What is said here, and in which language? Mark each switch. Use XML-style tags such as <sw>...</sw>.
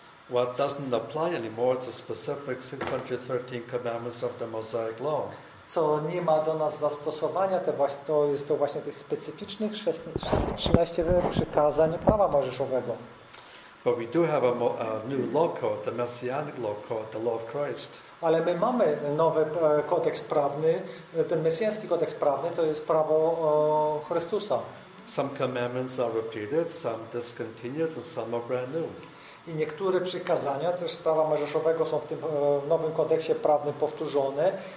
<en>What doesn't apply anymore to specific 613 commandments of the Mosaic Law.</en> <pl>Co nie ma do nas zastosowania, to jest to właśnie tych specyficznych 613 przykazań prawa mojżeszowego.</pl> <en>But we do have a new law code, the Messianic law code, the law of Christ.</en> <pl>Ale my mamy nowy kodeks prawny, ten mesjański kodeks prawny, to jest prawo Chrystusa.</pl> <en>Some commandments are repeated, some discontinued, and some are brand new.</en> <pl>I niektóre przykazania, też z prawa mojżeszowego, są w tym nowym kodeksie prawnym powtórzone.</pl>